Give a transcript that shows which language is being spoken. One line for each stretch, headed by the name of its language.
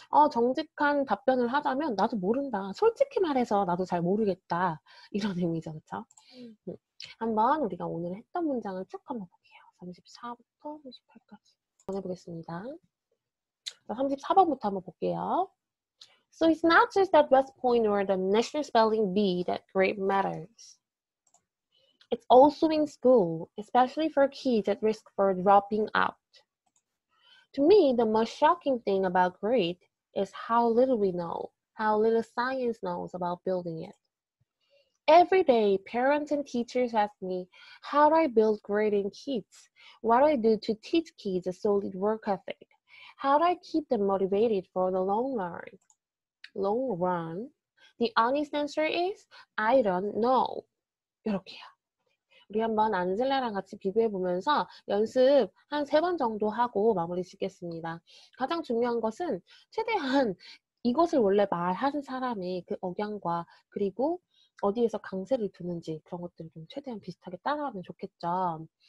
Korean: 정직한 답변을 하자면 나도 모른다. 솔직히 말해서 나도 잘 모르겠다. 이런 의미죠, 그렇죠? 한번 우리가 오늘 했던 문장을 쭉 한번 볼게요. 34부터 38까지 보내보겠습니다. 34번부터 한번 볼게요.
English: So it's not just that West Point or the National Spelling Bee that grade matters. It's also in school, especially for kids at risk for dropping out. To me, the most shocking thing about grade is how little we know, how little science knows about building it. Every day, parents and teachers ask me, how do I build grade in kids? What do I do to teach kids a solid work ethic? How do I keep them motivated for the long run? The honest answer is, I don't know.
Korean: 이렇게요. 우리 한번 안젤라랑 같이 비교해보면서 연습 한 3번 정도 하고 마무리 짓겠습니다. 가장 중요한 것은 최대한 이것을 원래 말하는 사람이 그 억양과 그리고 어디에서 강세를 두는지 그런 것들을 좀 최대한 비슷하게 따라하면 좋겠죠.